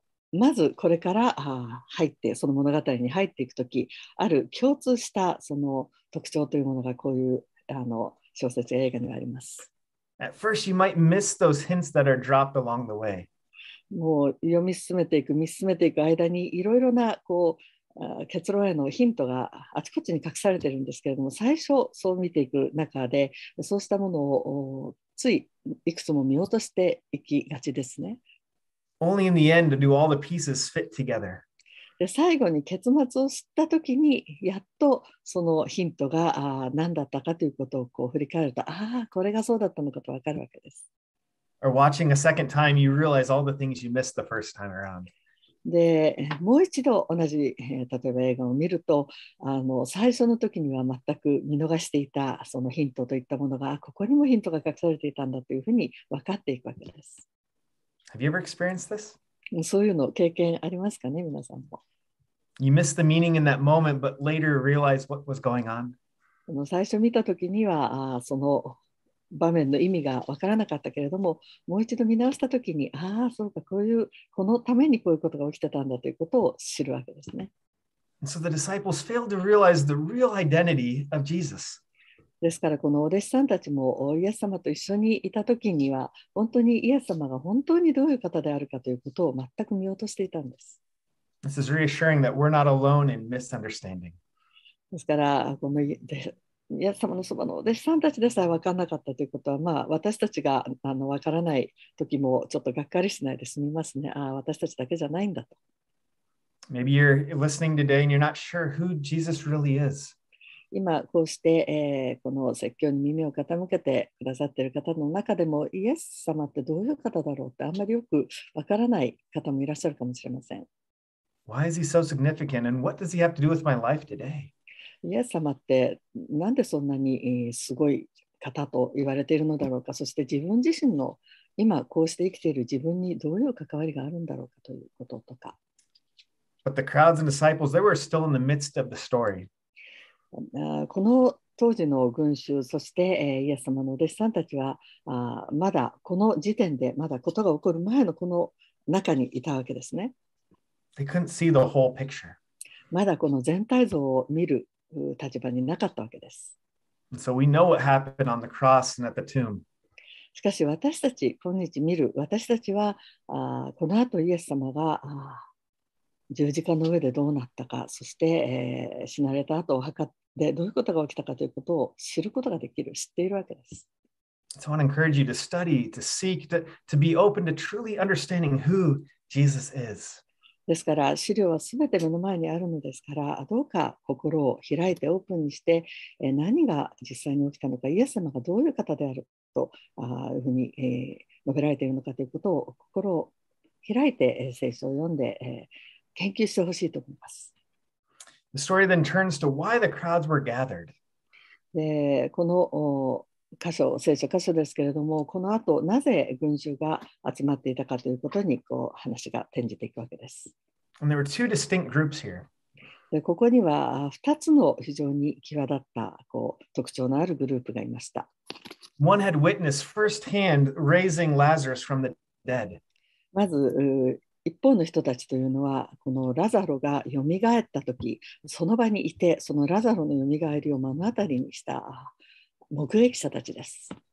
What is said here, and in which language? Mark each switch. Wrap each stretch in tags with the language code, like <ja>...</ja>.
<ja>まずこれから入ってその物語に入っていくとき、ある共通したその特徴というものがこういう小説や映画にはあります。</ja> <en>At first, you might miss those hints that are dropped along the way.</en> <ja>もう読み進めていく、見進めていく間にいろいろなこう結論へのヒントがあちこちに隠されているんですけれども、最初そう見ていく中で、そうしたものをついいくつも見落としていきがちですね。</ja> <en>Only in the end do all the pieces fit together.</en> <ja>で最後に結末を知ったときに、やっとそのヒントが何だったかということをこう振り返ると、ああ、これがそうだったのかと分かるわけです。</ja> <en>Or watching a second time, you realize all the things you missed the first time around.</en> <ja>で、もう一度同じ、例えば映画を見ると、最初のときには全く見逃していたそのヒントといったものが、ここにもヒントが隠されていたんだというふうに分かっていくわけです。</ja> <en>Have you ever experienced this?</en> <ja>そういうの経験ありますかね、皆さんも。</ja> <en>You missed the meaning in that moment, but later realized what was going on.</en> <ja>最初見たときにはその場面の意味が分からなかったけれども、もう一度見直したときに、ああ、そうか、こういう、このためにこういうことが起きてたんだということを知るわけですね。</ja> <en>And so the disciples failed to realize the real identity of Jesus.</en> <ja>ですからこのお弟子さんたちもイエス様と一緒にいた時には本当にイエス様が本当にどういう方であるかということを全く見落としていたんです。</ja> <en>This is reassuring that we're not alone in misunderstanding.</en> <ja>ですからこのイエス様のそばのお弟子さんたちでさえ分からなかったということは、まあ私たちが分からない時もちょっとがっかりしないで済みますね。ああ、私たちだけじゃないんだと。</ja> <en>Maybe you're listening today and you're not sure who Jesus really is.</en> <ja>今こうして、この説教に耳を傾けてくださっている方の中でもイエス様ってどういう方だろうってあんまりよくわからない方もいらっしゃるかもしれません。</ja> <en>Why is he so significant and what does he have to do with my life today?</en> <ja>イエス様ってなんでそんなにすごい方と言われているのだろうか、そして自分自身の今こうして生きている自分にどういう関わりがあるんだろうかということとか。</ja> <en>But the crowds and disciples, they were still in the midst of the story</en> <ja>この当時の群衆、そしてイエス様のお弟子さんたちはまだこの時点でまだことが起こる前のこの中にいたわけですね。</ja> <en>They couldn't see the whole picture.</en> <ja>まだこの全体像を見る立場になかったわけです。</ja> <en>And so we know what happened on the cross and at the tomb.</en> <ja>しかし私たち、今日見る私たちはこの後イエス様が十字架の上でどうなったか、そして、死なれた後お墓でどういうことが起きたかということを知ることができる、知っているわけです。</ja> <en>So I want to encourage you to study, to seek, to be open to truly understanding who Jesus is.</en> <ja>ですから資料はすべて目の前にあるのですから、どうか心を開いてオープンにして、何が実際に起きたのか、イエス様がどういう方であるというふうに、述べられているのかということを心を開いて、聖書を読んで、研究してほしいと思います。</ja> <en>The story then turns to why the crowds were gathered.</en> <ja>で、この箇所、聖書箇所ですけれども、この後なぜ群衆が集まっていたかということにこう話が転じていくわけです。</ja> <en>And there were two distinct groups here.</en> <ja>で、ここには2つの非常に際立ったこう特徴のあるグループがいました。</ja> <en>One had witnessed firsthand raising Lazarus from the dead.</en> <ja>まず一方の人たちというのは、このラザロがよみがえったとき、その場にいて、そのラザロのよみがえりを目の当たりにした目撃者たちです。</ja>